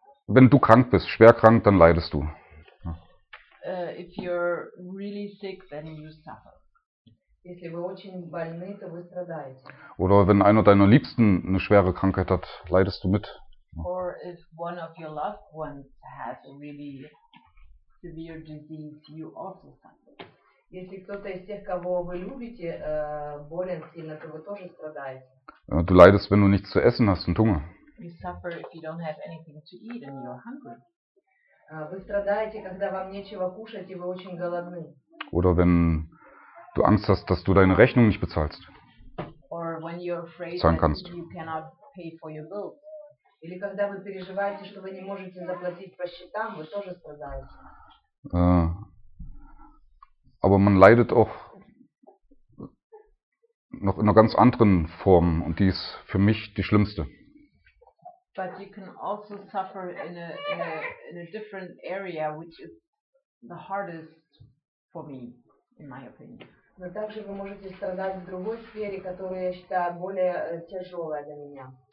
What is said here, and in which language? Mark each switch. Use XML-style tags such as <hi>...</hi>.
<de>Wenn du krank bist, schwer krank, dann leidest du.</de> <en>If you're really sick, then you suffer.</en> <ru>Если вы очень больны, то вы страдаете.</ru> <de>Oder wenn einer deiner Liebsten eine schwere Krankheit hat, leidest du mit.</de> <en>Or if one of your loved ones has a really severe disease, you also suffer.</en> <ru>Если кто-то из тех, кого вы любите, болен сильно, то вы тоже страдаете.</ru> <de>Du leidest, wenn du nichts zu essen hast und Hunger.</de> <en>You suffer if you don't have anything to eat and you're hungry.</en> <ru>Вы страдаете, когда вам нечего кушать и вы очень голодны.</ru> <de>Oder wenn du Angst hast, dass du deine Rechnung nicht bezahlst.</de> <en>Or when you're afraid that you cannot pay for your bills.</en> <ru>Или когда вы переживаете, что вы не можете заплатить по счетам, вы тоже страдаете.</ru> <de>Aber man leidet auch noch in einer ganz anderen Form und die ist für mich die schlimmste.</de> <en>But you can also suffer in a different area, which is the hardest for me, in my opinion.</en> <ru>Но также вы можете страдать в другой сфере, которую я считаю более тяжелой для меня.</ru>